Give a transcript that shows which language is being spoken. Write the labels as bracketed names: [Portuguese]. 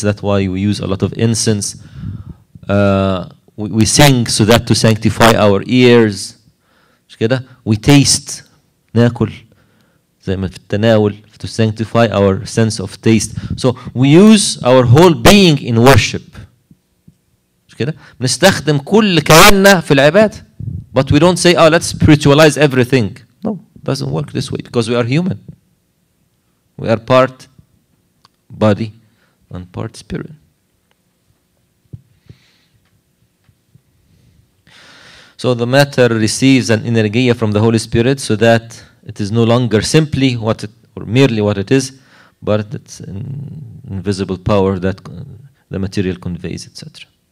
[English] That's why we use a lot of incense. We sing so that to sanctify our ears. We taste, [Arabic] ناكل زي ما في التناول, [English] to sanctify our sense of taste. So we use our whole being in worship. [Arabic] نستخدم كل كياننا في العبادة. [English] But we don't say, oh, let's spiritualize everything. No, doesn't work this way because we are human. We are part body and part spirit. So the matter receives an energia from the Holy Spirit so that it is no longer simply what it, or merely what it is, but it's an invisible power that the material conveys, etc.